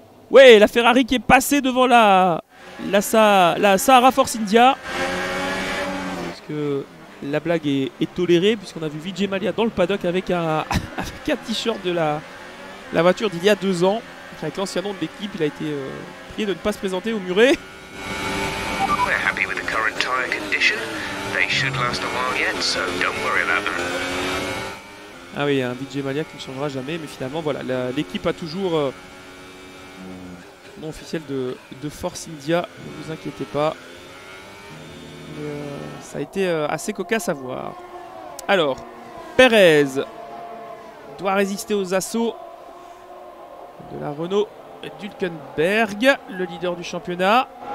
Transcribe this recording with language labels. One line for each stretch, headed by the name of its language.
French: Ouais, la Ferrari qui est passée devant la Sahara Force India. Parce que la blague est tolérée, puisqu'on a vu Vijay Mallya dans le paddock avec un t-shirt de la voiture d'il y a 2 ans. Avec l'ancien nom de l'équipe, il a été prié de ne pas se présenter au muret.
English: We're happy with the current tire condition. They should last a while yet, so don't worry about them.
French: Ah oui, un Vijay Mallya qui ne changera jamais, mais finalement voilà, l'équipe a toujours nom officiel de Force India, ne vous inquiétez pas. Ça a été assez cocasse à voir. Alors, Perez doit résister aux assauts de la Renault Hülkenberg, le leader du championnat.